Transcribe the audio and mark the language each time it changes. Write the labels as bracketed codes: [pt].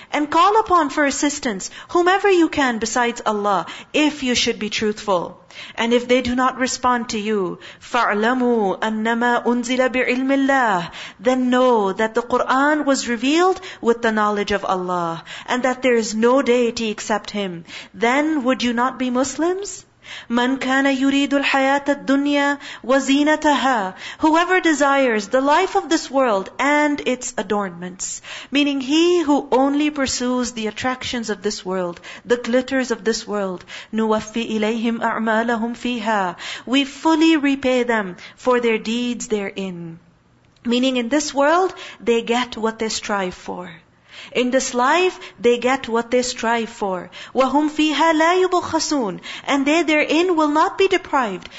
[en] And call upon for assistance whomever you can besides Allah, if you should be truthful. And if they do not respond to you, [ar] فَعْلَمُوا أَنَّمَا أُنزِلَ بِعِلْمِ اللَّهِ, [en] then know that the Qur'an was revealed with the knowledge of Allah, and that there is no deity except Him. Then would you not be Muslims? [ar] من كان يريد الحياة الدنيا وزينتها. [en] Whoever desires the life of this world and its adornments. Meaning he who only pursues the attractions of this world, the glitters of this world. [ar] نوفي إليهم أعمالهم فيها. [en] We fully repay them for their deeds therein. Meaning in this world, they get what they strive for. In this life, they get what they strive for. [ar] وَهُمْ فِيهَا لَا يُبْخَسُونَ [en] And they therein will not be deprived.